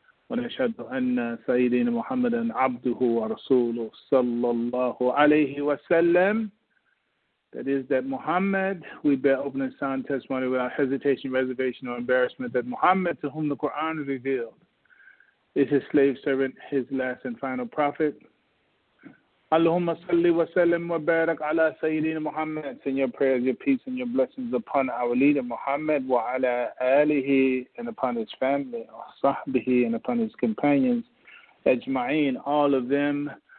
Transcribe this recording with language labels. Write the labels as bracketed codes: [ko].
[ar] ونشهد أن سيدنا محمدا عبده ورسوله صلى الله عليه وسلم. [en] That is that Muhammad, we bear open and sound testimony without hesitation, reservation, or embarrassment, that Muhammad, to whom the Quran revealed, is his slave servant, his last and final prophet. [ar] اللهم صل وسلم وبارك على سيدنا محمد. [en] Send your prayers, your peace, and your blessings upon our leader Muhammad [ar] wa ala alihi [en] and upon his family, [ar] wa sahbihi [en] and upon his companions, ajma'in, all of them.